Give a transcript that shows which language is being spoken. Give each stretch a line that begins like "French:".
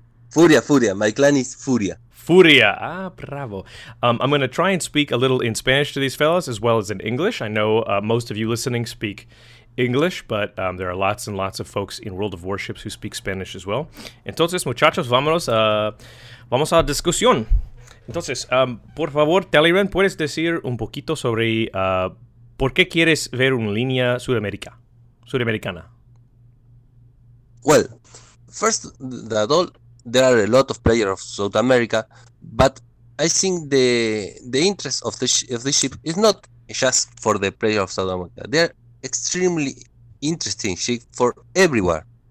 English: Furia. My clan is Furia. Furia. Ah, bravo. I'm going to try and speak a little in Spanish to these fellows as well as in English. I know most of you listening speak English, but there are lots and lots of folks in World of Warships who speak Spanish as well.
Spanish: Entonces, muchachos, vamos a discusión. Entonces, por favor, Talleyrand, ¿puedes decir un poquito sobre por qué quieres ver una línea suramericana?
English: Well, first of all, there are a lot of players of South America, but I think the interest of the ship is not just for the player of South America. They are extremely interesting ship for everywhere.